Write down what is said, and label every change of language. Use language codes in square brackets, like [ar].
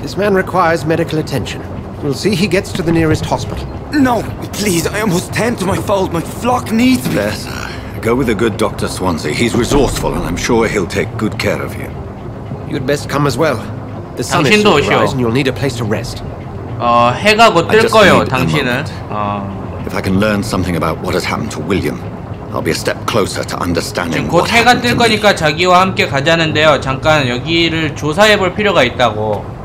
[en] This man requires medical attention. We'll see he gets to the nearest hospital. No, please, I almost tend to my fold. My flock needs me. Yes, go with a good Dr. Swansea. He's resourceful, and I'm sure he'll take good care of you. You'd best come as well. The sun is soon to rise, and you'll need a place to rest. [ko] 해가 곧 뜰 거예요, 당신은. [en] If I can learn something about what has happened to William, I'll be a step closer to understanding what happened to me. [ko] 곧 해가 뜰 거니까 자기와 함께 가자는데요. 잠깐 여기를 조사해볼 필요가 있다고.